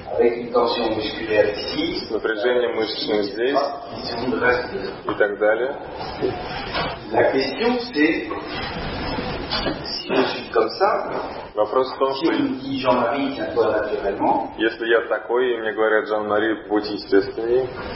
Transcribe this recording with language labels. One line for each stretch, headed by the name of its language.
Russian: С напряжением мышечным здесь и так далее.
French: La question c'est si je suis comme ça.
Russian: Вопрос в том, что если я такой, и мне говорят Жан-Мари, будь естественней.